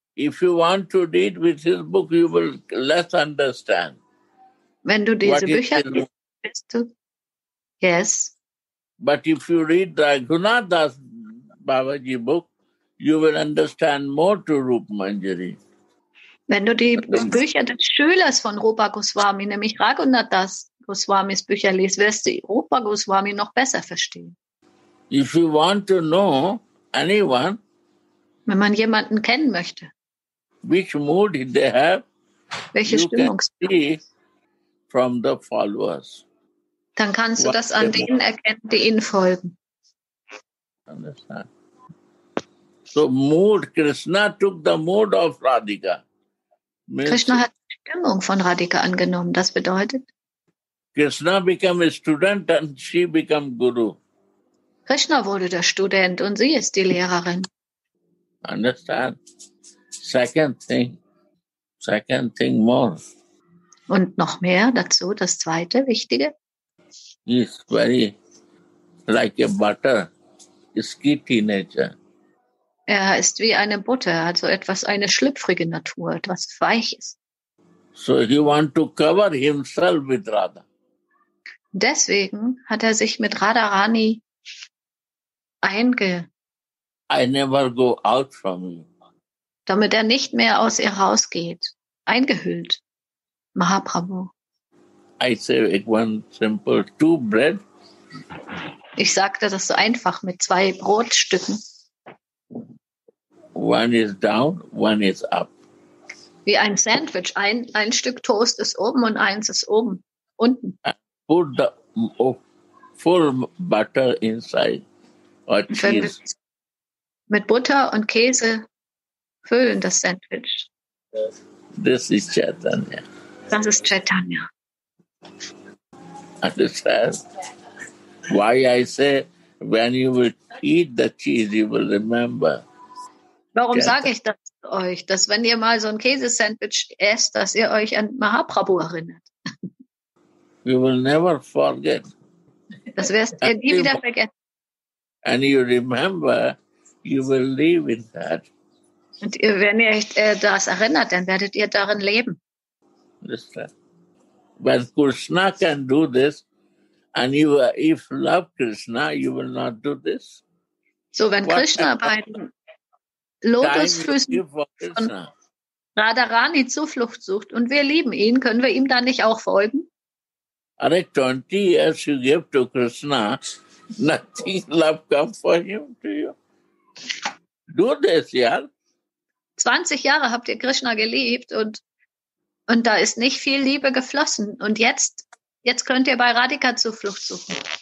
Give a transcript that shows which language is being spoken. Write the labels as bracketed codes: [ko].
[en] If you want to read with his book, you will less understand. [de] Wenn du diese Bücher liest, yes. [en] But if you read Raghunath Das Babaji book, you will understand more to Rupa Manjari. [de] Wenn du die Bücher des Schülers von Rupa Goswami, nämlich Raghunath Das Goswamis Bücher liest, wirst du Rupa Goswami noch besser verstehen. [en] If you want to know anyone, [de] wenn man jemanden kennen möchte, [en] which mood they have, [de] welche Stimmung sie [en] from the followers. [de] Dann kannst du das an denen erkennen, die ihnen folgen. [en] Understand. So mood, Krishna took the mood of Radhika. [de] Krishna hat die Stimmung von Radhika angenommen. Das bedeutet? [en] Krishna became a student and she became guru. [de] Krishna wurde der Student und sie ist die Lehrerin. [en] Understand? Second thing more. [de] Und noch mehr dazu, das zweite Wichtige. [en] He is very like a butter, skitty nature. [de] Er ist wie eine Butter, also etwas, eine schlüpfrige Natur, etwas Weiches. [en] So he want to cover himself with Radha. [de] Deswegen hat er sich mit Radharani [en] I never go out from you. [de] Damit er nicht mehr aus ihr rausgeht, eingehüllt. [en] Mahaprabhu. I say one simple, two bread. [de] Ich sagte das so einfach mit zwei Brotstücken. [en] One is down, one is up. [de] Wie ein Sandwich. Ein Stück Toast ist oben und eins ist oben, unten. [en] And put the full butter inside. Or cheese. [de] Mit Butter und Käse füllen das Sandwich. [en] This is Chaitanya. [de] Das ist Chaitanya. [en] Understand? Why I say, when you will eat the cheese, you will remember. [de] Warum sage ich das? euch, dass wenn ihr mal so ein Käsesandwich esst, dass ihr euch an Mahaprabhu erinnert. [en] We will never forget. [de] Das wirst ihr nie wieder vergessen. [en] And you remember, you will live in that. [de] Und ihr, wenn ihr euch das erinnert, dann werdet ihr darin leben. [en] Understand? When Krishna can do this, and you, if love Krishna, you will not do this. [de] So, wenn what Krishna bei den Lotusfüßen von Radharani Zuflucht sucht und wir lieben ihn, können wir ihm dann nicht auch folgen? [en] Are 20 years you give to Krishna, nothing love come for him to you. Do this, yeah? [de] 20 Jahre habt ihr Krishna geliebt und da ist nicht viel Liebe geflossen. Und jetzt könnt ihr bei Radhika Zuflucht suchen.